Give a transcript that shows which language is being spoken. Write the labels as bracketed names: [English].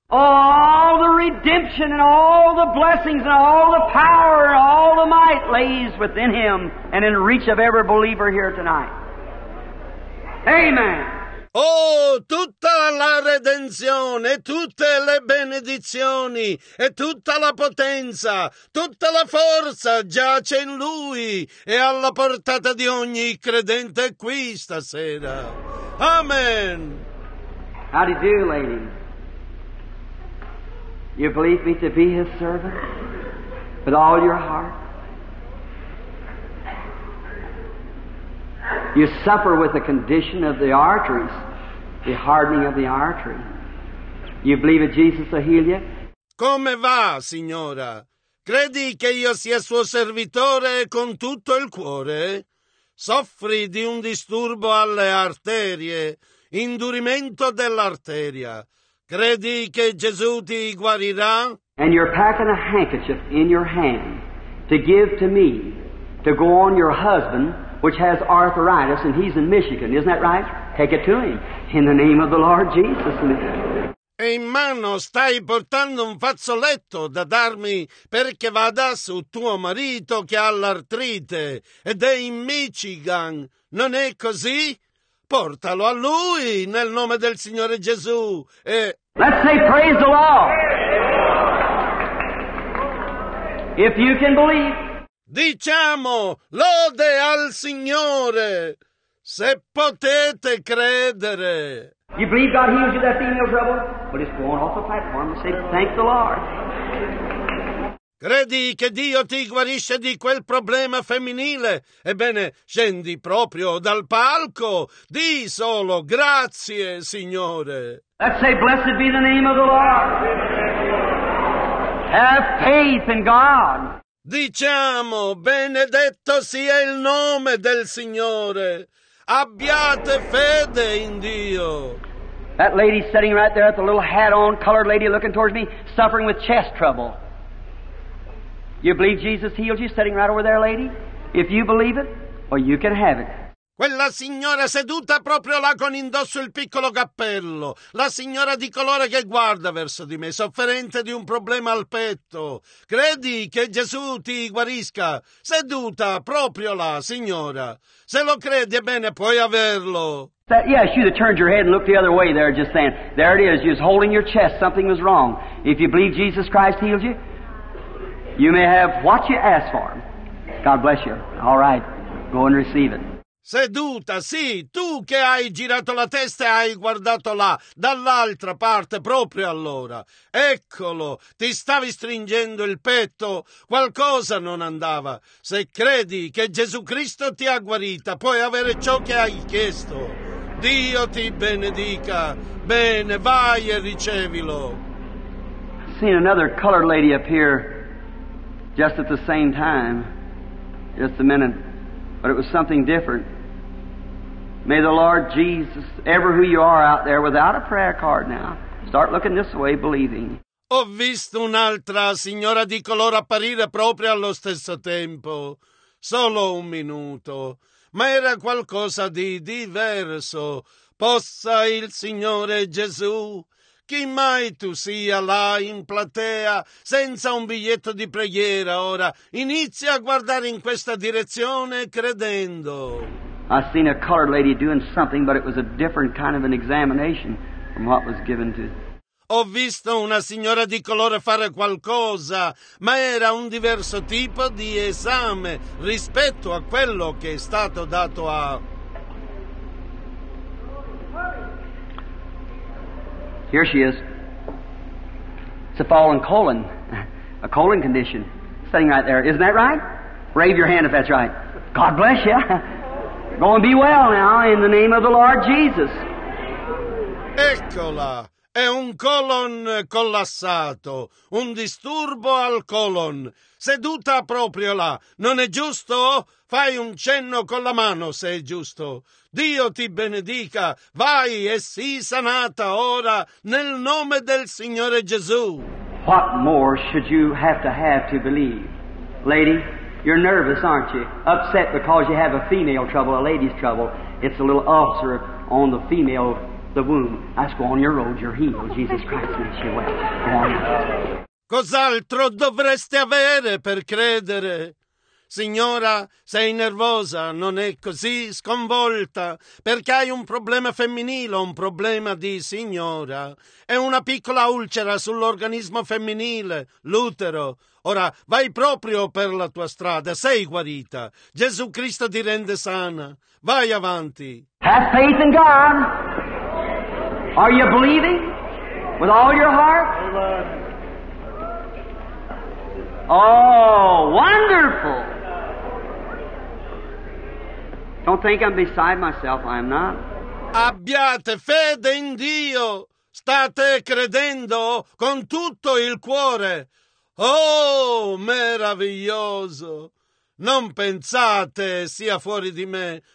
[English] Oh, all the redemption and all the blessings and all the power and all the might lays within him and in reach of every believer here tonight. Amen. [Italian] Oh, tutta la redenzione, tutte le benedizioni e tutta la potenza, tutta la forza giace in Lui e alla portata di ogni credente qui stasera. Amen. [English] How do you do, lady? You believe me to be His servant with all your heart? You suffer with the condition of the arteries. The hardening of the artery. You believe that Jesus will heal you? [Italian] Come va, signora? Credi che io sia suo servitore con tutto il cuore? Soffri di un disturbo alle arterie, indurimento dell'arteria. Credi che Gesù ti guarirà? [English] And you're packing a handkerchief in your hand to give to me to go on your husband, which has arthritis, and he's in Michigan. Isn't that right? Take it to him. In the name of the Lord Jesus. [Italian] E in mano stai portando un fazzoletto da darmi perché vada su tuo marito che ha l'artrite ed è in Michigan. Non è così? Portalo a lui nel nome del Signore Gesù e... [English] Let's say praise the Lord. If you can believe. [Italian] Diciamo lode al Signore. Se potete credere. [English] You believe God heals you that female trouble? But it's going off the platform and say, thank the Lord. [Italian] Credi che Dio ti guarisce di quel problema femminile? Ebbene, scendi proprio dal palco. Di solo, grazie, Signore. [English] Let's say, blessed be the name of the Lord. Have faith in God. [Italian] Diciamo, benedetto sia il nome del Signore. Abbiate fede in Dio. [English] That lady sitting right there with the little hat on, colored lady looking towards me, suffering with chest trouble. You believe Jesus healed you sitting right over there, lady? If you believe it, well, you can have it. [Italian] Quella signora seduta proprio là con indosso il piccolo cappello, la signora di colore che guarda verso di me, sofferente di un problema al petto. Credi che Gesù ti guarisca? Seduta proprio là, signora. Se lo credi, ebbene, puoi averlo. [English] That, yeah, she have turned your head and looked the other way there, just saying, there it is, you're just holding your chest, something was wrong. If you believe Jesus Christ healed you, you may have what you ask for. God bless you. All right, go and receive it. [Italian] Seduta, sì, tu che hai girato la testa e hai guardato là, dall'altra parte, proprio allora. Eccolo, ti stavi stringendo il petto, qualcosa non andava. Se credi che Gesù Cristo ti ha guarita, puoi avere ciò che hai chiesto. Dio ti benedica. Bene, vai e ricevilo. [English] I've seen another colored lady appear just at the same time, just a minute, but it was something different. May the Lord Jesus, ever who you are out there, without a prayer card now, start looking this way, believing. [Italian] Ho visto un'altra signora di colore apparire proprio allo stesso tempo. Solo un minuto. Ma era qualcosa di diverso. Possa il Signore Gesù. Chi mai tu sia là in platea, senza un biglietto di preghiera ora, inizia a guardare in questa direzione credendo. [English] I seen a colored lady doing something, but it was a different kind of an examination from what was given to. [Italian] Ho visto una signora di colore fare qualcosa, ma era un diverso tipo di esame rispetto a quello che è stato dato a. [English] Here she is. It's a fallen colon, a colon condition, sitting right there. Isn't that right? Wave your hand if that's right. God bless you. Go and be well now in the name of the Lord Jesus. [Italian] Eccola. È un colon collassato, un disturbo al colon. Seduta proprio là. Non è giusto? Fai un cenno con la mano se è giusto. Dio ti benedica. Vai e sii sanata ora nel nome del Signore Gesù. [English] What more should you have to believe? Lady, you're nervous, aren't you? Upset because you have a female trouble, a lady's trouble. It's a little ulcer on the female, the womb. That's go on your road, your heel. Jesus Christ makes you well. Go on. [Italian] Cos'altro dovreste avere per credere? Signora, sei nervosa, non è così sconvolta, perché hai un problema femminile, un problema di signora. È una piccola ulcera sull'organismo femminile, l'utero. Ora, vai proprio per la tua strada, sei guarita. Gesù Cristo ti rende sana. Vai avanti. [English] Have faith in God. Are you believing with all your heart? Oh, wonderful. Don't think I'm beside myself, I am not. [Italian] Abbiate fede in Dio. State credendo con tutto il cuore. Oh, meraviglioso. Non pensate sia fuori di me.